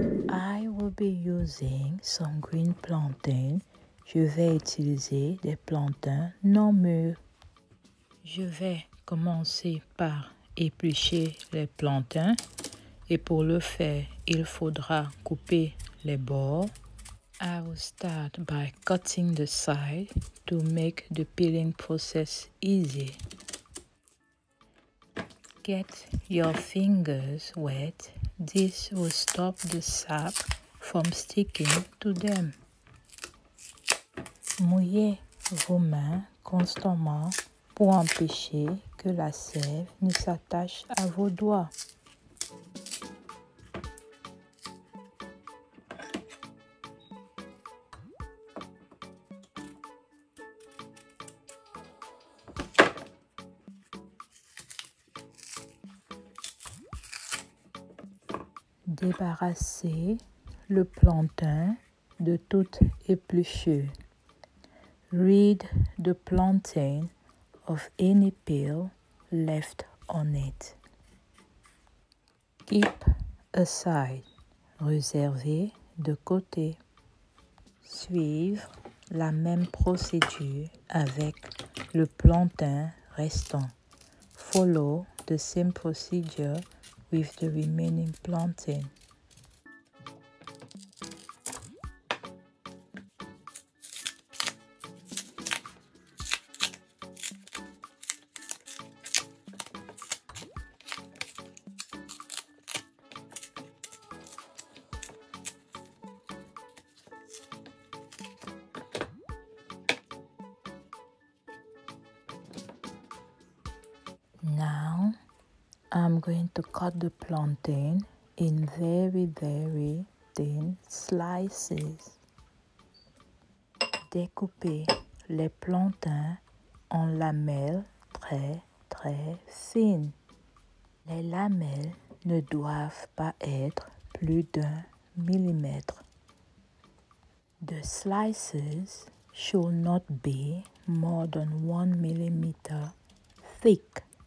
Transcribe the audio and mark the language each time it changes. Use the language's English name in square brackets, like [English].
[English] I will be using some green plantain. [French] Je vais utiliser des plantains non mûrs. Je vais commencer par éplucher les plantains. Et pour le faire, il faudra couper les bords. [English] I will start by cutting the side to make the peeling process easy. Get your fingers wet. This will stop the sap from sticking to them. [French] Mouillez vos mains constamment pour empêcher que la sève ne s'attache à vos doigts. Débarrassez le plantain de toute épluchure. [English] Rid the plantain of any peel left on it. Keep aside. [French] Réservez de côté. Suivre la même procédure avec le plantain restant. [English] Follow the same procedure with the remaining plantain. Now, I'm going to cut the plantain in very, very thin slices. [French] Découpez les plantains en lamelles très, très fines. Les lamelles ne doivent pas être plus d'un millimètre. [English] The slices should not be more than 1 millimeter thick.